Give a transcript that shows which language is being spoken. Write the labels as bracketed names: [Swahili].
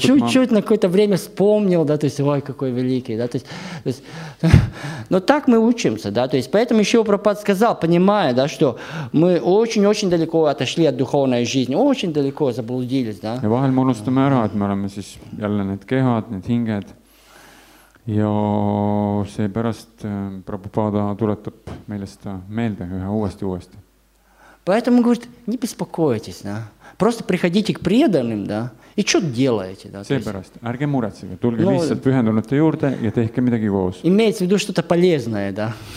[Russian] чуть-чуть на какое-то время вспомнил, да, то есть, ой, какой великий, да, то есть. Но так мы учимся, да, то есть, поэтому еще Прабхупада сказал, понимая, да, что мы очень-очень далеко отошли от духовной жизни, очень далеко заблудились, да. [Estonian] Ja, vahel me unustame ära, et me oleme siis jälle need kehad, need hinged. Ja see pärast Prabhupada tuletab meile seda meelde ühe uuesti. [Russian] Поэтому говорит, не беспокойтесь, да. Просто приходите к преданным, да. И что делаете, да? [Estonian] Seepärast, ärge muretsege, tulge lihtsalt pühendunute juurde ja tehke midagi koos. [Russian] Имеется в виду что-то полезное, да.